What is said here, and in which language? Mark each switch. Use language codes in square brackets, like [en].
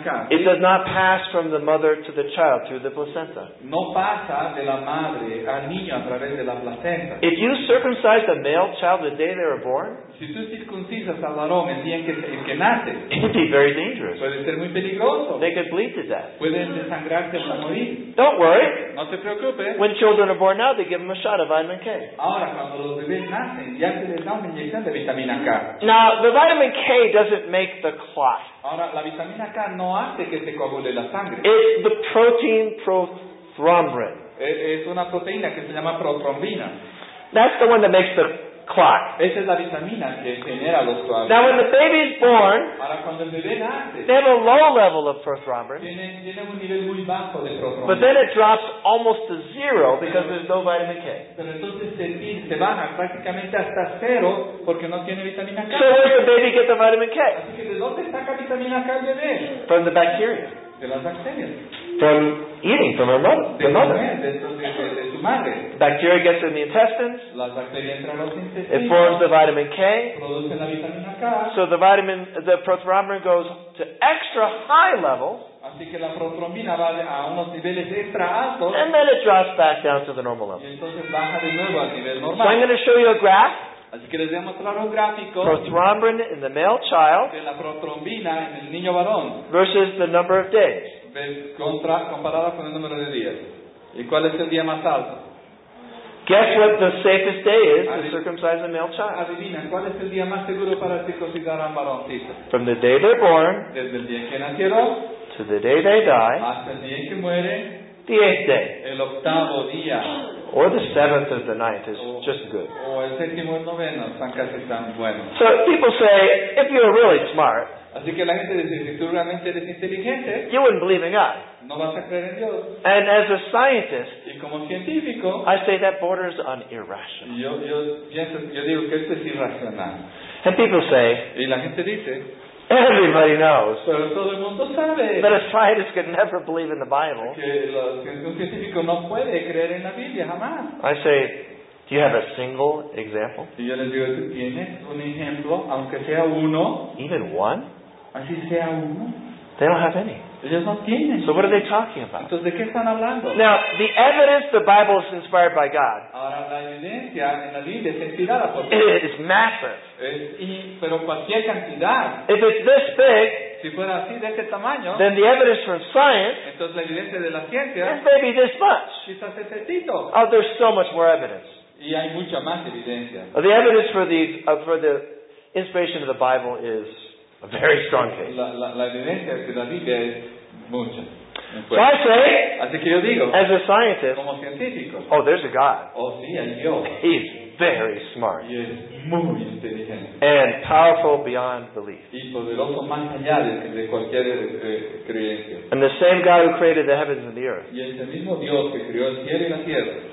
[en] It does not pass from the mother to the child through the placenta. [es] No pasa de la madre al niño a través de la placenta. [en] If you circumcise a male child the day they were born, [es] si tú circuncisas al varón el día en que nace, [en] it would be very dangerous. [es] Puede ser muy peligroso. [en] They could bleed to death. [es] Pueden desangrarse hasta morir. [en] Don't worry. [es] No te preocupes. [en] When children are born now, they give them a shot of vitamin K. [es] Ahora, cuando los bebés nacen, ya se les da una inyección de vitamina K. [en] Now, the vitamin K doesn't make the clot. [es] Ahora, la vitamina K no hace que se coagule la sangre. [en] It's the protein prothrombin. [es] Es una proteína que se llama prothrombina. [en] That's the one that makes the clot. [es] Esa es la vitamina que genera los coágulos. [en] Now, when the baby is born, [es] ahora, cuando el bebé nace, [en] they have a low level of prothrombin. [es] Tiene un nivel muy bajo de prothrombina. [en] But then it drops almost to zero because there's no vitamin K. [es] Pero entonces se baja prácticamente hasta cero porque no tiene vitamina K. [en] So where does the baby get the vitamin K? [es] Así que ¿de dónde saca vitamina K el bebé? [en] From the bacteria. [es] De las bacterias. [en] From eating, from her mother, the mother. [es] De su madre. [en] Bacteria gets in the intestines. [es] Las bacterias entran los intestinos. [en] It forms the vitamin K. [es] Produce la vitamina K. [en] So the prothrombin goes to extra high levels. [es] Así que la prothrombina va a unos niveles extra altos. [en] And then it drops back down to the normal level. [es] Y entonces baja de nuevo al nivel normal. [en] So I'm going to show you a graph. [es] Así que les voy a mostrar un gráfico. [en] Prothrombin in the male child. [es] De la prothrombina en el niño varón. [en] Versus the number of days. [es] Comparada con el número de días. ¿Y cuál es el día más alto? [en] Guess what the safest day is to circumcise a male child. [es] Adivina, ¿cuál es el día más seguro para circuncidar a un varoncito? [en] From the day they're born, [es] desde el día que nacieron, [en] to the day they die, [es] hasta el día que muere, [en] the eighth day. [es] El octavo día. [en] Or the seventh or the ninth is just good. [es] El séptimo o el noveno, están casi tan buenos. [en] So people say, if you're really smart, [es] así que la gente dice, si tú realmente eres inteligente, [en] you wouldn't believe in God. [es] No vas a creer en Dios. [en] And as a scientist, [es] y como científico, [en] I say that borders on irrational. [es] Yo digo que esto es irracional. [en] And people say, [es] y la gente dice, [en] everybody knows. [es] Pero todo el mundo sabe. [en] But a scientist could never believe in the Bible. [es] Un científico no puede creer en la Biblia, jamás. [en] I say, do you have a single example? [es] Y yo les digo, ¿tienes un ejemplo, aunque sea uno? [en] Even one? [es] Así sea uno. [en] They don't have any. [es] Ellos no tienen. [en] So what are they talking about? [es] Entonces, ¿de qué están hablando? [en] Now, the evidence the Bible is inspired by God. [es] Ahora, la evidencia en la Biblia es inspirada por [en] Dios. It is massive. [es] Pero cualquier cantidad. [en] If it's this big, [es] si fuera así, de este tamaño, [en] then the evidence from science, [es] entonces, la evidencia de la ciencia, [en] is maybe this much. [es] Quizás es esto. [en] Oh, there's so much more evidence. [es] Y hay mucha más evidencia. [en] The evidence for the inspiration of the Bible is a very strong case. [es] La evidencia de la Biblia es mucha. [en] So I say, [es] así que yo digo, [en] as a scientist, [es] como científico, [en] oh, there's a God. [es] Oh, sí, hay Dios. [en] He's very smart. [es] Y es muy inteligente. [en] And powerful beyond belief. [es] Y poderoso más allá de cualquier creencia. [en] And the same God who created the heavens and the earth, [es] y ese mismo Dios que creó el cielo y la tierra,